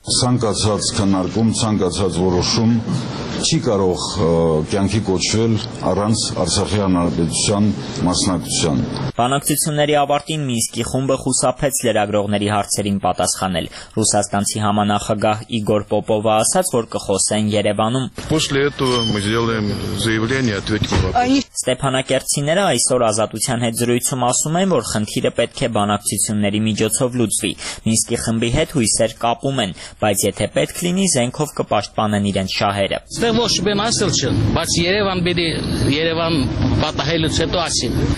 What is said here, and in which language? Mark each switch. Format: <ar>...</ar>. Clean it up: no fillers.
<hy>Ցանկացած քննարկում, ցանկացած որոշում չի կարող կյանքի կոչվել առանց Արցախի Հանրապետության մասնակցության։ Բանակցությունների ավարտին Մինսկի խումբը խուսափեց լրագրողների հարցերին պատասխանել։ Ռուսաստանցի համանախագահ Իգոր Պոպովը ասաց, որ կխոսեն Երևանում։</hy> <ru>После этого мы сделаем заявление, ответим вопрос.</ru> <hy>Ստեփանակերտցիները այսօր ազատության հետ զրույցում ասում են, որ խնդիրը պետք է բանակցությունների միջոցով լուծվի։ Մինսկի խմբի հետ հույսեր կապում են, բայց եթե պետք լինի, զենքով կպաշտպանեն իրենց շահերը։ Ստեղ ոչ մի մասը չէ, բայց Երևան պիտի Երևան պատահելուց հետո ասի։</hy>